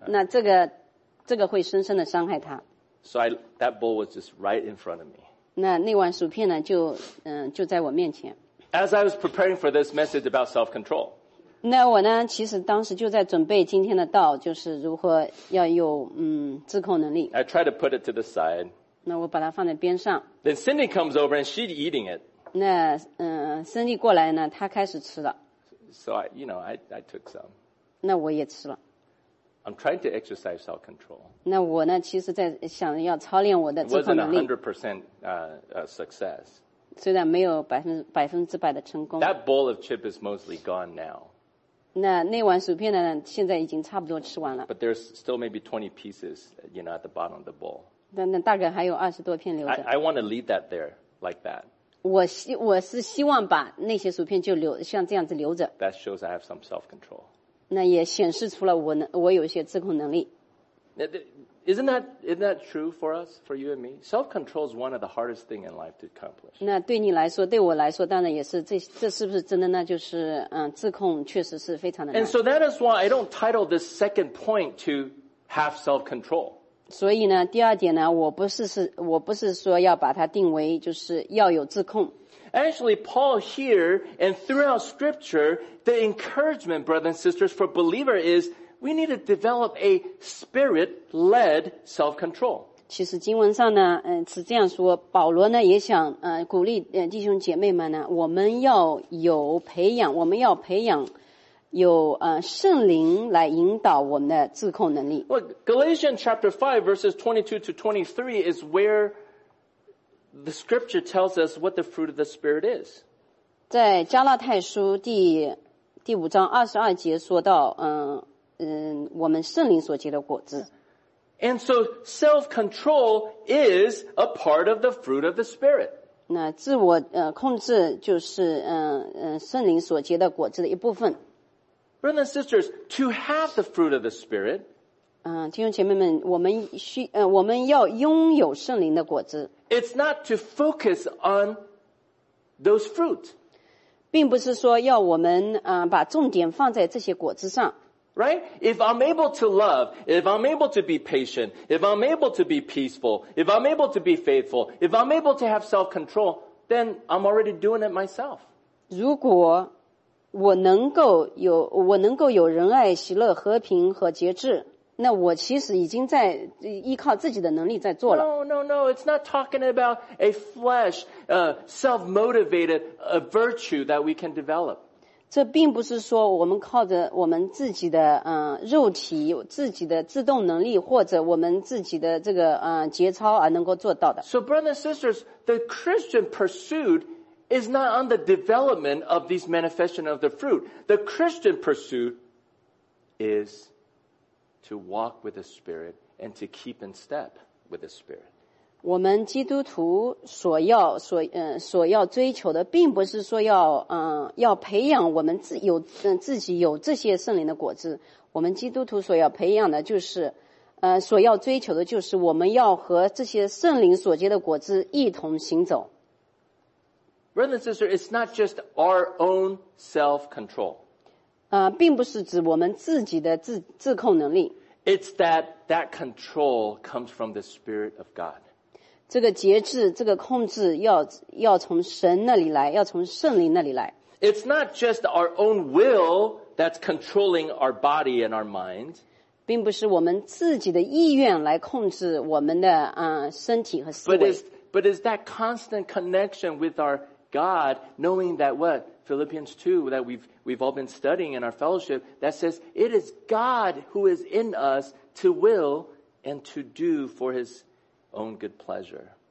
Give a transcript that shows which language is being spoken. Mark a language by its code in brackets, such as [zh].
[zh] 那这个会深深的伤害她。 [en] So that bowl was just right in front of me. [zh] 那碗薯片呢？就在我面前。 [en] As I was preparing for this message about self-control. [zh] 那我呢其实当时就在准备今天的道，就是如何要有自控能力。 [en] I try to put it to the side. [zh] 那我把它放在边上。 [en] Then Cindy comes over and she's eating it. [zh] 那Cindy 过来呢，她开始吃了。 [en] So I took some. [zh] 那我也吃了。 [en] I'm trying to exercise self-control. [zh] 那我呢其实在想要操练我的自控能力。 [en] It wasn't 100% success. [zh] 虽然没有百分之百的成功。 [en] That bowl of chip is mostly gone now. [zh] 那碗薯片呢现在已经差不多吃完了。 [en] But there's still maybe 20 pieces, you know, at the bottom of the bowl. [zh] 那大概还有二十多片留着。 [en] I want to leave that there, like that. [zh] 我是希望把那些薯片就留像这样子留着。 [en] That shows I have some self-control. [zh] 那也显示出了我有一些自控能力。 [en] Isn't that true for us, for you and me? Self-control is one of the hardest things in life to accomplish. [zh] 那对你来说，对我来说，当然也是。这是不是真的？那就是自控确实是非常的难。 [en] And so that is why I don't title this second point to have self-control. [zh] 所以呢，第二点呢，我不是说要把它定为就是要有自控。 [en] Actually, Paul here and throughout Scripture, the encouragement, brothers and sisters, for believer is. We need to develop a spirit-led self-control. [zh] 其实经文上呢，是这样说。保罗呢也想鼓励弟兄姐妹们呢，我们要培养有圣灵来引导我们的自控能力。 [en] Well, Galatians chapter 5 verses 22 to 23 is where the scripture tells us what the fruit of the spirit is. [zh] 在加拉太书第五章二十二节说到，我们圣灵所结的果子。 [en] And so self-control is a part of the fruit of the Spirit. [zh] 那自我控制就是圣灵所结的果子的一部分。 [en] Brothers and sisters, to have the fruit of the Spirit, [zh] 弟兄姐妹们，我们要拥有圣灵的果子。 [en] It's not to focus on those fruit. [zh] 并不是说要我们把重点放在这些果子上。 [en] Right? If I'm able to love, if I'm able to be patient, if I'm able to be peaceful, if I'm able to be faithful, if I'm able to have self-control, then I'm already doing it myself. [zh] 如果我能够有仁爱、喜乐、和平和节制，那我其实已经在依靠自己的能力在做了。 [en] No, it's not talking about a flesh, self-motivated, virtue that we can develop. [zh] 这并不是说我们靠着我们自己的肉体、自己的自动能力或者我们自己的这个节操而能够做到的。 [en] So, brothers and sisters, the Christian pursuit is not on the development of these manifestation of the fruit. The Christian pursuit is to walk with the Spirit and to keep in step with the Spirit. [zh] 我们基督徒所要追求的并不是说要培养我们自己有这些圣灵的果子。我们基督徒所要培养的就是所要追求的就是我们要和这些圣灵所结的果子一同行走。 [en] Brother and sister, it's not just our own self-control. [zh] 并不是指我们自己的自控能力。 [en] It's that control comes from the Spirit of God. [zh] 这个节制，这个控制要从神那里来，要从圣灵那里来。 [en] It's not just our own will that's controlling our body and our mind. [zh] 并不是我们自己的意愿来控制我们的身体和思维。 [en] But it's that constant connection with our God, knowing that what? Philippians 2, that we've all been studying in our fellowship, that says, it is God who is in us to will and to do for his own good pleasure.